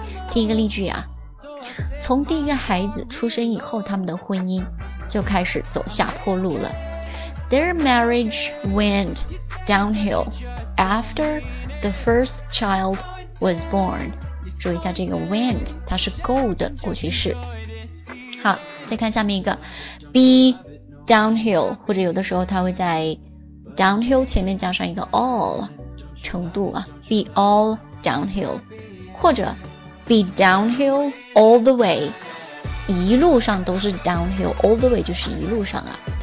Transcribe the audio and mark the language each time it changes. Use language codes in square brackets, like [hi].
[zh] 第一个例句啊，从第一个孩子出生以后，他们的婚姻就开始走下坡路了。 [en] Their marriage went downhill after the first child was born。 [zh] 注意一下这个 went， 它是 go 的过去式。好，再看下面一个 [en] be downhill， [zh] 或者有的时候它会在downhill 前面加上一个 all 程度啊， [en] be all downhill， [zh] 或者 [en] be downhill all the way， [zh] 一路上都是 downhill， [en] all the way [zh] 就是一路上啊。